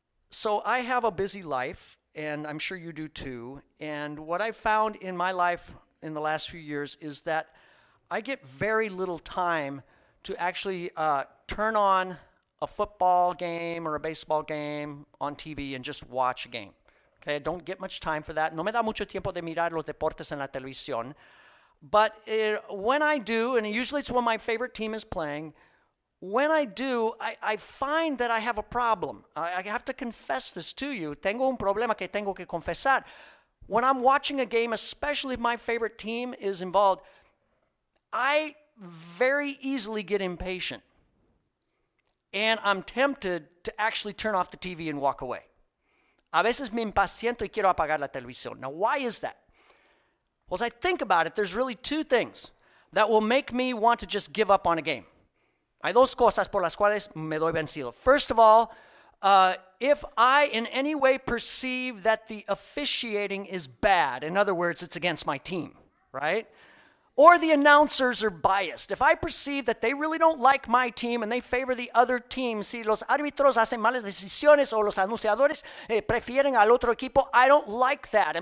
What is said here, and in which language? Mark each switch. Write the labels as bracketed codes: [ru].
[en] So I have a busy life, and I'm sure you do too. And what I found in my life in the last few years is that I get very little time to actually turn on a football game or a baseball game on TV and just watch a game. Okay, I don't get much time for that. [es] No me da mucho tiempo de mirar los deportes en la televisión. [en] But when I do, and usually it's when my favorite team is playing, when I do, I find that I have a problem. I have to confess this to you. [es] Tengo un problema que tengo que confesar. [en] When I'm watching a game, especially if my favorite team is involved, I very easily get impatient. And I'm tempted to actually turn off the TV and walk away. [es] A veces me impaciento y quiero apagar la televisión. [en] Now, why is that? Well, as I think about it, there's really two things that will make me want to just give up on a game. [es] Hay dos cosas por las cuales me doy vencido. [en] First of all, if I in any way perceive that the officiating is bad, in other words, it's against my team, right? Or the announcers are biased. If I perceive that they really don't like my team and they favor the other team, [es] si los árbitros hacen malas decisiones o los anunciadores prefieren al otro equipo, [en] I don't like that.